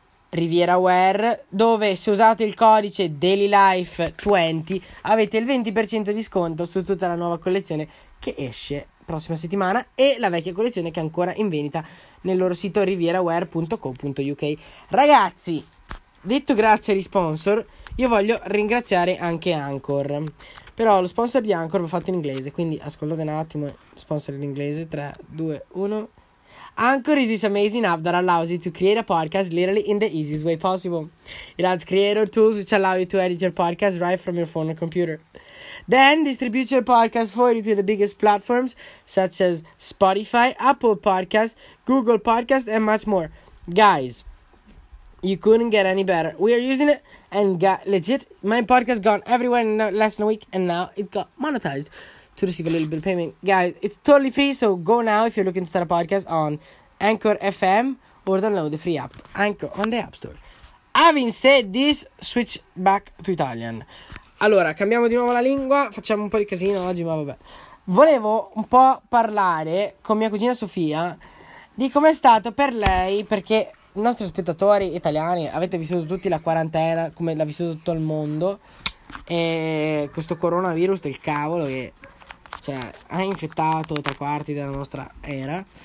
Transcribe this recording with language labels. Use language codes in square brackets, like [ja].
[it] Riviera Wear, dove se usate il codice DailyLife20 avete il 20% di sconto su tutta la nuova collezione che esce prossima settimana e la vecchia collezione che è ancora in vendita nel loro sito rivierawear.co.uk. ragazzi, detto grazie agli sponsor, io voglio ringraziare anche Anchor. Però lo sponsor di Anchor l'ho fatto in inglese, quindi ascoltate un attimo, sponsor in inglese, 3, 2, 1. [en] Anchor is this amazing app that allows you to create a podcast literally in the easiest way possible. It has creator tools which allow you to edit your podcast right from your phone or computer. Then distribute your podcast for you to the biggest platforms such as Spotify, Apple Podcasts, Google Podcasts and much more. Guys, you couldn't get any better. We are using it and got legit. My podcast gone everywhere in less than a week and now it got monetized to receive a little bit of payment. Guys, it's totally free, so go now if you're looking to start a podcast on Anchor FM or download the free app Anchor on the App Store. Having said this, switch back to Italian. [it] Allora, cambiamo di nuovo la lingua, facciamo un po' di casino oggi, ma vabbè. Volevo un po' parlare con mia cugina Sofia di com'è stato per lei, perché i nostri spettatori italiani avete vissuto tutti la quarantena come l'ha vissuto tutto il mondo, e questo coronavirus del cavolo che, cioè, ha infettato tre quarti della nostra era.